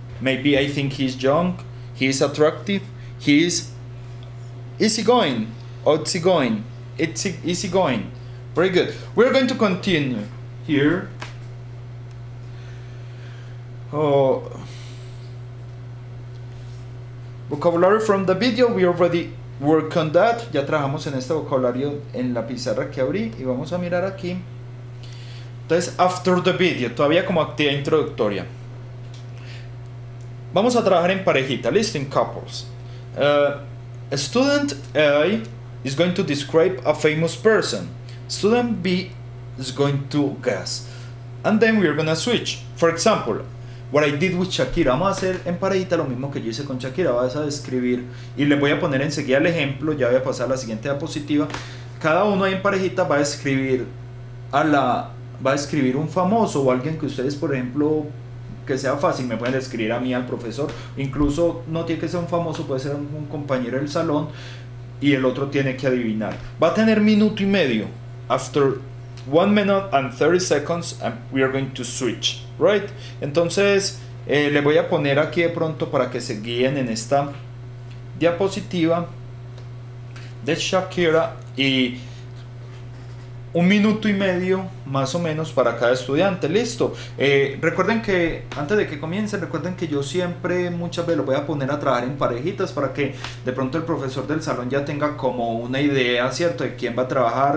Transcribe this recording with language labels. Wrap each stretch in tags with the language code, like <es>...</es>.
<en>maybe I think he's young, he's attractive, he's easygoing, outgoing, it's easygoing. Very good. We're going to continue here. Vocabulary from the video, we already worked on that.</en> <es>Ya trabajamos en este vocabulario en la pizarra que abrí y vamos a mirar aquí. Entonces,</es> <en>after the video,</en> <es>todavía como actividad introductoria. Vamos a trabajar en parejita, listo, en couples.</es> <en>Student A is going to describe a famous person. Student B is going to guess. And then we're going to switch. For example, what I did with Shakira.</en> <es>Vamos a hacer en parejita lo mismo que yo hice con Shakira. Vas a describir y le voy a poner enseguida el ejemplo. Ya voy a pasar a la siguiente diapositiva. Cada uno ahí en parejita va a escribir a la... va a escribir un famoso o alguien que ustedes, por ejemplo, que sea fácil, me pueden escribir a mí, al profesor. Incluso no tiene que ser un famoso, puede ser un compañero del salón y el otro tiene que adivinar. Va a tener minuto y medio.</es> <en>After 1 minute and 30 seconds, we are going to switch, right?</en> <es>Entonces, le voy a poner aquí de pronto para que se guíen en esta diapositiva de Shakira y... un minuto y medio más o menos para cada estudiante, listo. Recuerden que antes de que comiencen, recuerden que yo siempre muchas veces lo voy a poner a trabajar en parejitas para que de pronto el profesor del salón ya tenga como una idea, cierto, de quién va a trabajar.</es>